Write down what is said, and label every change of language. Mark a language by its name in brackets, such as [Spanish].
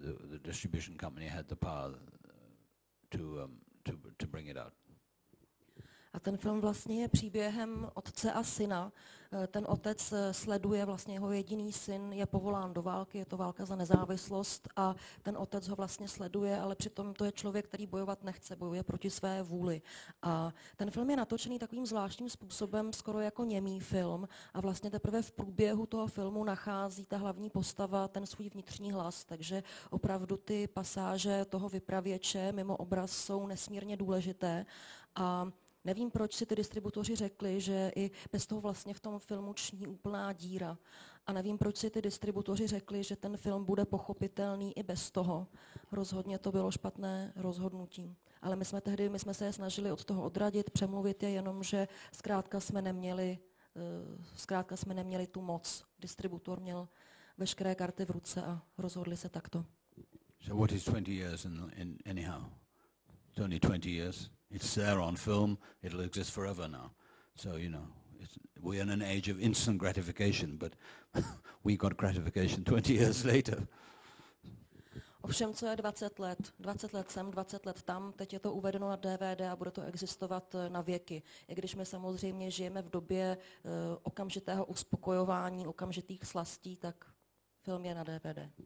[English] The distribution company had the power to bring it out. [Czech] A ten film vlastně je příběhem otce a syna. Ten otec sleduje, vlastně jeho jediný syn je povolán do války, je to válka za nezávislost a ten otec ho vlastně sleduje, ale přitom to je člověk, který bojovat nechce, bojuje proti své vůli. A ten film je natočený takovým zvláštním způsobem, skoro jako němý film a vlastně teprve v průběhu toho filmu nachází ta hlavní postava ten svůj vnitřní hlas, takže opravdu ty pasáže toho vypravěče mimo obraz jsou nesmírně důležité a nevím, proč si ty distributoři řekli, že i bez toho vlastně v tom filmu ční úplná díra. A nevím, proč si ty distributoři řekli, že ten film bude pochopitelný i bez toho. Rozhodně to bylo špatné rozhodnutí. Ale my jsme se je snažili od toho odradit, přemluvit je, jenomže zkrátka jsme neměli tu moc. Distributor měl veškeré karty v ruce a rozhodli se takto. [English] So what is 20 years in anyhow? It's only 20 years. It's there on film, it'll exist forever now. So, you know, we're in an age of instant gratification, but we got gratification 20 years later. [Czech] Ovšem, co je 20 let? 20 let sem, 20 let tam, teď je to uvedeno na DVD a bude to existovat na věky. I když my samozřejmě žijeme v době okamžitého uspokojování, okamžitých slastí, tak film je na DVD.